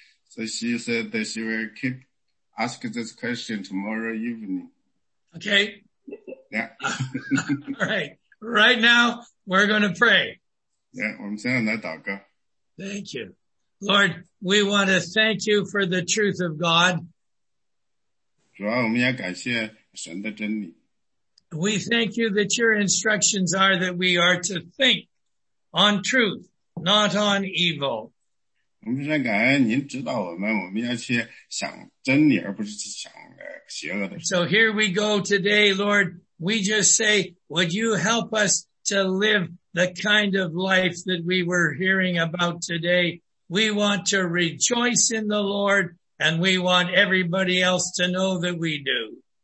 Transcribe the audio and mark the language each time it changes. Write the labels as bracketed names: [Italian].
[English] So she said that she will keep asking this question tomorrow evening. Okay. Yeah. All right. Right now, we're going to pray. Yeah, [Chinese] 我们现在来祷告。 [English] Thank you. Lord, we want to thank you for the truth of God. [Chinese] 主要我们要感谢神的真理。 [English] We thank you that your instructions are that we are to think on truth, not on evil. [Chinese] 我们非常感恩您指导我们，我们要去想真理，而不是去想邪恶的。 [English] So here we go today, Lord. We just say, would you help us to live the kind of life that we were hearing about today? We want to rejoice in the Lord, and we want everybody else to know that we do.